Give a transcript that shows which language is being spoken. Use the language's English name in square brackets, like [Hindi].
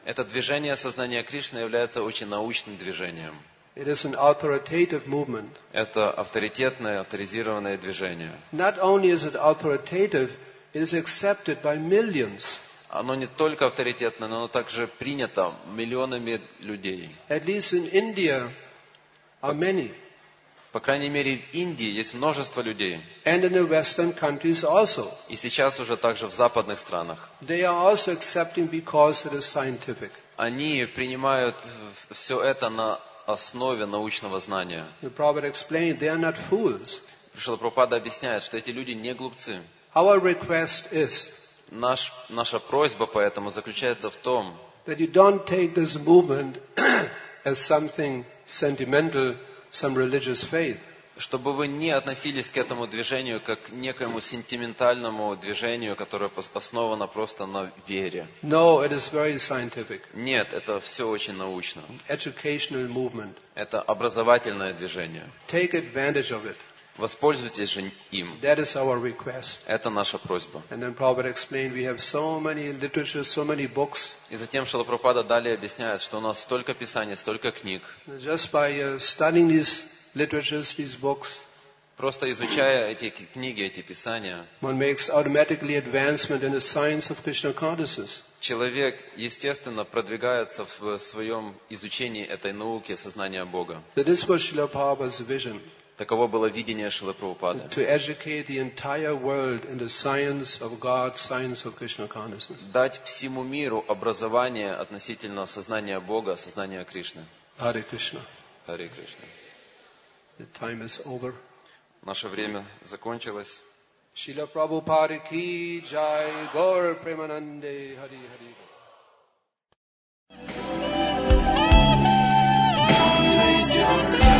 [Russian] Это движение сознания Кришны является очень научным движением. [English] It is an authoritative movement. [Russian] Это авторитетное, авторизированное движение. [English] Not only is it authoritative, it is accepted by millions. [Russian] Оно не только авторитетное, но оно также принято миллионами людей. [English] At least in India are many. [Russian] По крайней мере, в Индии есть множество людей. [English] And in the Western countries also. [Russian] И сейчас уже также в западных странах. [English] They are also accepting because it is scientific. [Russian] Они принимают все это на основе научного знания. [English] The Prabhupada explained they are not fools. [Russian] Шрила Прабхупада объясняет, что эти люди не глупцы. [English] Our request is. [Russian] Наша просьба поэтому заключается в том, [English] that you don't take this movement as something sentimental, some religious faith. [Russian] Чтобы вы не относились к этому движению как к некоему сентиментальному движению, которое основано просто на вере. [English] No, it is very scientific. [Russian] Нет, это все очень научно. [English] Educational movement. [Russian] Это образовательное движение. [English] Take advantage of it. [Russian] Воспользуйтесь же им. [English] That is our request. [Russian] Это наша просьба. [English] And then Prabhupada explained, we have so many literature, so many books. [Russian] И затем Шрила Прабхупада далее объясняет, что у нас столько писаний, столько книг. [English] Just by studying these literatures, these books. [Russian] Просто изучая эти книги, эти писания. [English] One makes automatically advancement in the science of Krishna consciousness. [Russian] Человек естественно продвигается в своем изучении этой науки сознания Бога. [English] So this was Srila Prabhupada's vision. [Russian] Таково было видение Шрилы Прабхупады. [English] To educate the entire world in the science of God, science of Krishna consciousness. [Russian] Дать всему миру образование относительно сознания Бога, сознания Кришны. [English] Hare Krishna. Hare Krishna. The time is over. [Russian] Наше время закончилось. Шрила Прабхупада ки джай, Гаура Премананде, Хари Хари.